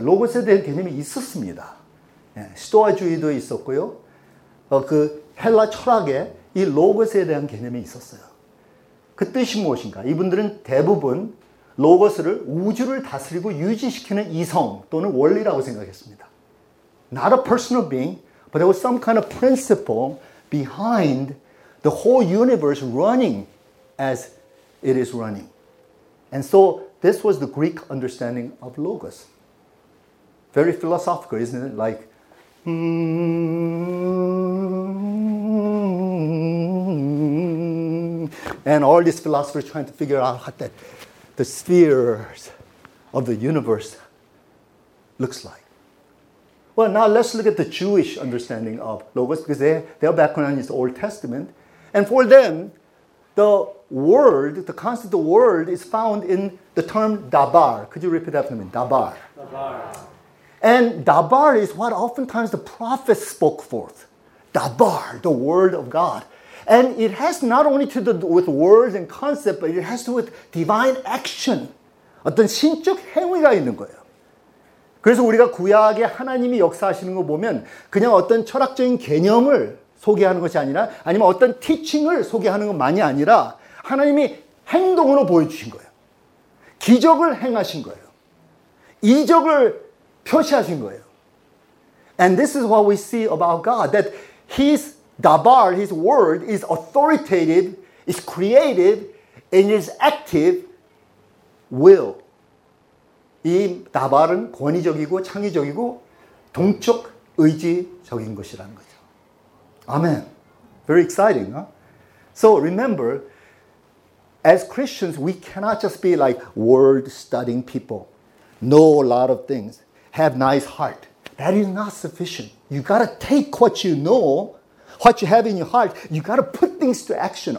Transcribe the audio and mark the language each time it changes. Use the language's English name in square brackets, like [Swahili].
[Korean] 로고스에 대한 개념이 있었습니다. 예, 스토아주의도 있었고요. 그 헬라 철학에 이 로고스에 대한 개념이 있었어요. 그 뜻이 무엇인가? 이분들은 대부분 로고스를 우주를 다스리고 유지시키는 이성 또는 원리라고 생각했습니다. [English] Not a personal being, but there was some kind of principle behind the whole universe running as it is running. And so this was the Greek understanding of Logos. Very philosophical, isn't it? Like, and all these philosophers trying to figure out what that the spheres of the universe looks like. Well, now let's look at the Jewish understanding of Logos, because their background is the Old Testament. And for them, the word, the concept of word, is found in the term dabar. Could you repeat that for me? Dabar. And dabar is what oftentimes the prophets spoke forth. Dabar, the word of God. And it has not only to do with words and concept, but it has to do with divine action. [Korean] 어떤 신적 행위가 있는 거예요. 그래서 우리가 구약에 하나님이 역사하시는 거 보면 그냥 어떤 철학적인 개념을 소개하는 것이 아니라 아니면 어떤 티칭을 소개하는 것만이 아니라 하나님이 행동으로 보여주신 거예요. 기적을 행하신 거예요. 이적을 표시하신 거예요. [English] And this is what we see about God, that His dabar, His word is authoritative, is creative, and is active will. [Korean] 이 다발은 권위적이고 창의적이고 동적 의지적인 것이라는 거죠. [English] Amen. Very exciting, huh? So remember, as Christians, we cannot just be like word-studying people, know a lot of things, have nice heart. That is not sufficient. You got to take what you know, what you have in your heart, you got to put things to action.